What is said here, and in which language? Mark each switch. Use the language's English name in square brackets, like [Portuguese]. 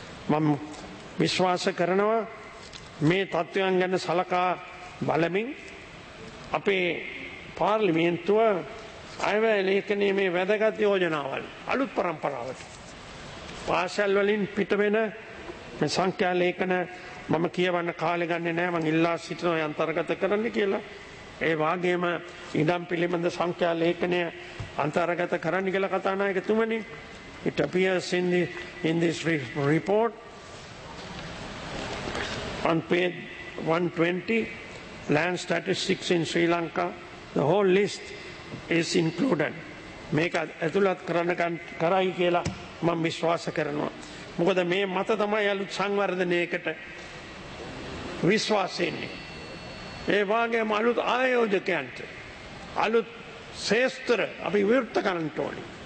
[Sinhala] මම විශ්වාස කරනවා මේ තත්ත්වයන් ගැන සලකා බලමින් අපේ පාර්ලිමේන්තුව අයවැය ලේඛනයේ මේ වැදගත් යෝජනාවල් අලුත් පරම්පරාවට පාසල් වලින් පිට වෙන මේ සංඛ්‍යා ලේඛන මම කියවන්න කාලෙ ගන්නේ නැහැ, මං ඉල්ලා සිටිනවා අන්තර්ගත කරන්න කියලා. ඒ වාගේම ඉඳම් පිළිබඳ සංඛ්‍යා ලේඛනය අන්තර්ගත කරන්න කියලා කතානායකතුමනි. [English] It appears in this report on page 120, land statistics in Sri Lanka, the whole list is included. [Sinhala] මේක ඇතුළත් කරන්න කරයි කියලා මම විශ්වාස කරනවා. මොකද මේ මත තමයි අලුත් සංවර්ධනයකට විශ්වාසෙන්නේ. ඒ වාගේම අලුත් ආයෝජකයන්ට අලුත් ශේස්ත්‍ර අපි විවෘත කරන්න ඕනේ.